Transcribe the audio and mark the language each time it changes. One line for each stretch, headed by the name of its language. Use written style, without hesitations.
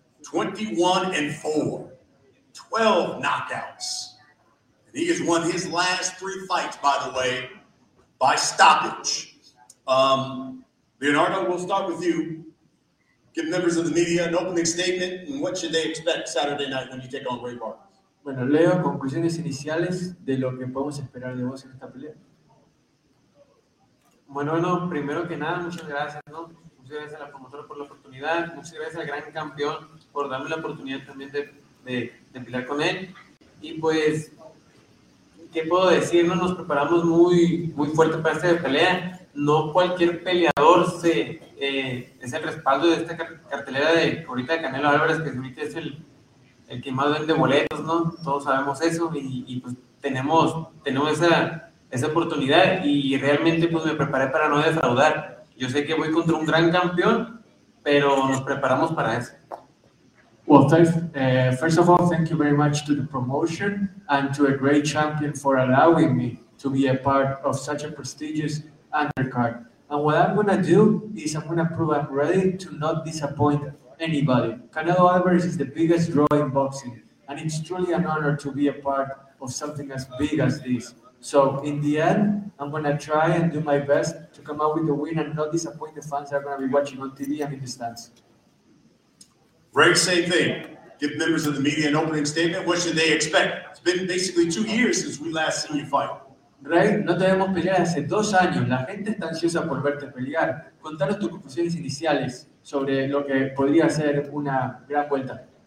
English: 21-4, 12 knockouts. And he has won his last three fights, by the way, by stoppage. Leonardo, we'll start with you. Give members of the media an opening statement, and what should they expect Saturday night when you take on Ray Vargas?
Spanish: Bueno, Leo, conclusiones iniciales de lo que podemos esperar de vos en esta pelea. Bueno, no, primero que nada, muchas gracias, ¿no? Muchas gracias a la promotora por la oportunidad, muchas gracias al gran campeón por darme la oportunidad también de pelear con él. Y pues, ¿qué puedo decir? No, nos preparamos muy, muy fuerte para esta pelea. No cualquier peleador es el respaldo de esta cartelera de ahorita de Canelo Álvarez, que Smith es el que más vende boletos, ¿no? Todos sabemos eso y pues tenemos esa oportunidad y realmente pues me preparé para no defraudar. Yo sé que voy contra un gran campeón, pero nos preparamos para eso.
English: Well, first of all, thank you very much to the promotion and to a great champion for allowing me to be a part of such a prestigious undercard. And what I'm going to do is I'm going to prove I'm ready to not disappoint anybody. Canelo Alvarez is the biggest draw in boxing, and it's truly an honor to be a part of something as big as this. So in the end, I'm going to try and do my best to come out with the win and not disappoint the fans that are going to be watching on TV and in the stands. Ray, same thing. Give members of the media an opening statement. What should they expect? It's been basically 2 years since we last seen you fight.
Spanish: Ray, no te vemos pelear hace 2 años. La gente está ansiosa por verte pelear. Contanos tus conclusiones iniciales sobre lo que podría ser una gran vuelta.